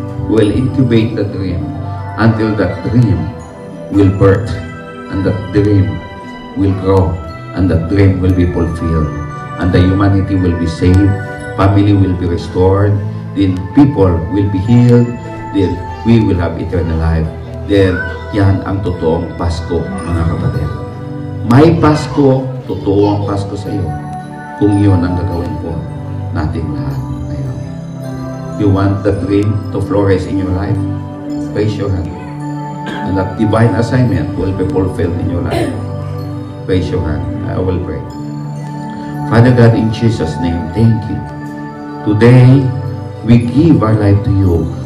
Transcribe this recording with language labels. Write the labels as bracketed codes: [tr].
[en] Will incubate the dream until that dream will birth and that dream will grow and that dream will be fulfilled and the humanity will be saved, family will be restored, then people will be healed, then we will have eternal life. [tl] Then, yan ang totoong Pasko, mga kapatid. May Pasko, totoong Pasko sa iyo kung yun ang gagawin po natin lahat. [en] You want the dream to flourish in your life? Raise your hand. And that divine assignment will be fulfilled in your life. Raise your hand. I will pray. Father God, in Jesus' name, thank you. Today, we give our life to you.